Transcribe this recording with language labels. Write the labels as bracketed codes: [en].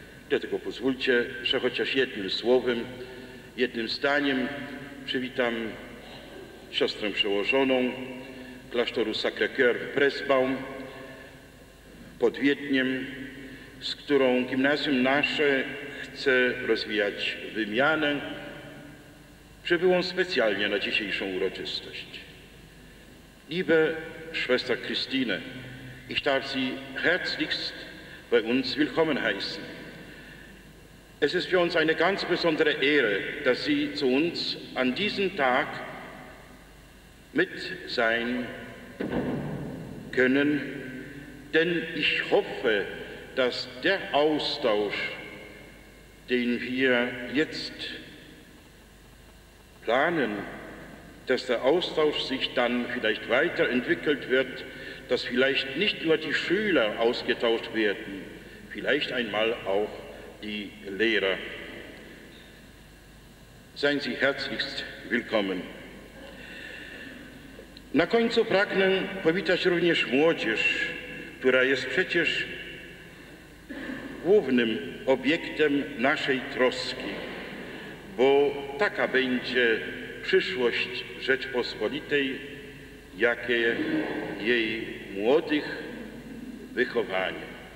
[pl] Dlatego pozwólcie, że chociaż jednym słowem, jednym zdaniem przywitam siostrę przełożoną klasztoru Sacré-Cœur w Pressbaum pod Wiedniem, z którą gimnazjum nasze chce rozwijać wymianę, przybyłą specjalnie na dzisiejszą uroczystość. [de] Liebe Schwester Christine, ich darf Sie herzlichst bei uns willkommen heißen. Es ist für uns eine ganz besondere Ehre, dass Sie zu uns an diesem Tag mit sein können, denn ich hoffe, dass der Austausch, den wir jetzt planen, dass der Austausch sich dann vielleicht weiterentwickelt wird, dass vielleicht nicht nur die Schüler ausgetauscht werden, vielleicht einmal auch die Lehrer. Seien Sie herzlichst willkommen. [pl] Na końcu pragnę powitać również młodzież, która jest przecież głównym obiektem naszej troski. bo taka będzie przyszłość Rzeczpospolitej, jakie jej młodych wychowanie.